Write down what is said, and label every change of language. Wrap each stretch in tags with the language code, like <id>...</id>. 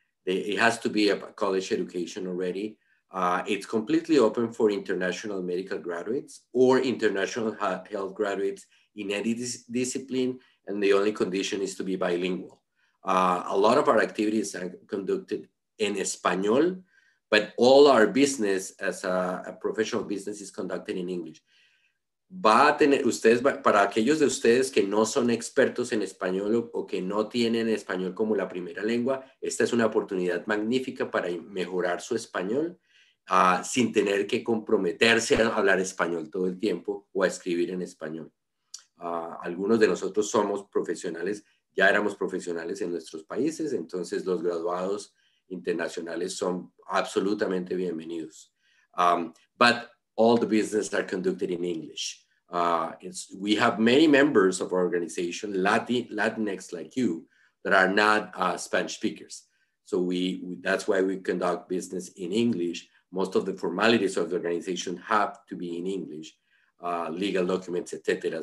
<en>It has to be a college education already. It's completely open for international medical graduates or international health graduates in any discipline. And the only condition is to be bilingual. A lot of our activities are conducted in Espanol, but all our business as a professional business is conducted in English.</en> <es>Va a tener ustedes, para aquellos de ustedes que no son expertos en español o que no tienen español como la primera lengua, esta es una oportunidad magnífica para mejorar su español sin tener que comprometerse a hablar español todo el tiempo o a escribir en español. Algunos de nosotros somos profesionales, ya éramos profesionales en nuestros países, entonces los graduados internacionales son absolutamente bienvenidos.</es> <en>All the business are conducted in English. We have many members of our organization, Latinx like you, that are not Spanish speakers. So that's why we conduct business in English. Most of the formalities of the organization have to be in English, legal documents, et cetera.</en>